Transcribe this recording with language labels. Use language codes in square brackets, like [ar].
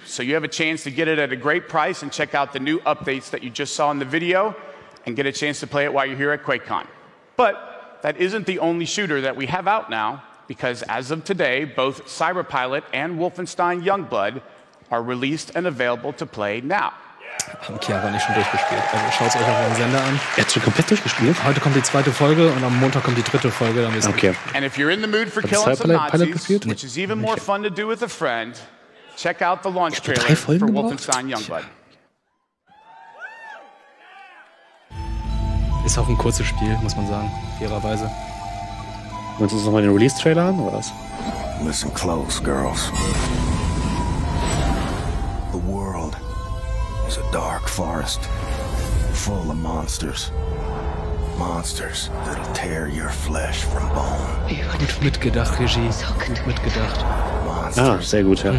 [en] So you have a chance to get it at a great price and check out the new updates that you just saw in the video and get a chance to play it while you're here at QuakeCon. But that isn't the only shooter that we have out now because as of today, both Cyberpilot and Wolfenstein Youngblood are released and available to play now. [de] Haben Chiara nicht schon durchgespielt. Also schaut es euch auf dem Sender an. Er hat schon komplett durchgespielt? Heute kommt die zweite Folge und am Montag kommt die dritte Folge. Dann ist okay. [en] And if you're in the mood for killing some Nazis, which is even more fun to do with a friend, check out the launch trailer for Wolfenstein Youngblood. [de] Ist auch ein kurzes Spiel, muss man sagen, fairerweise. Willst du uns nochmal den Release-Trailer an, oder was? [en] Listen close, girls. The world is a dark forest full of monsters. Monsters that'll tear your flesh from bone. [de] Gut mitgedacht, Regie. Gut mitgedacht. Monsters ah, sehr gut, ja.